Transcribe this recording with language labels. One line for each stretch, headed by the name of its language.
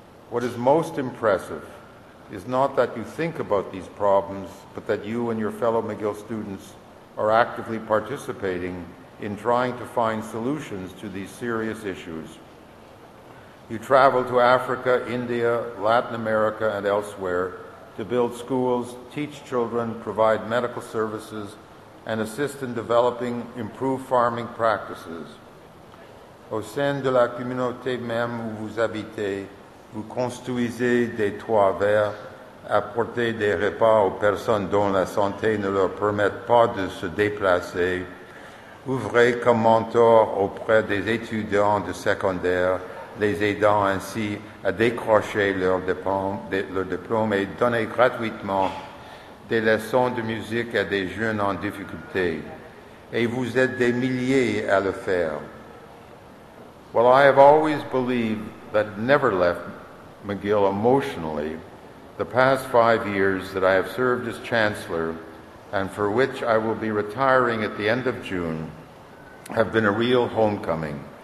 English: What is most impressive is not that you think about these problems, but that you and your fellow McGill students are actively participating in trying to find solutions to these serious issues. You travel to Africa, India, Latin America, and elsewhere to build schools, teach children, provide medical services, and assist in developing improved farming practices.
French: Au sein de la communauté même où vous habitez, vous construisez des toits verts, apportez des repas aux personnes dont la santé ne leur permet pas de se déplacer, ouvrez comme mentor auprès des étudiants de secondaire, les aidant ainsi à décrocher leur diplôme et donner gratuitement des leçons de musique à des jeunes en difficulté. Et vous êtes des milliers à le faire.
English: While I have always believed that it never left McGill emotionally, the past 5 years that I have served as Chancellor, and for which I will be retiring at the end of June, have been a real homecoming.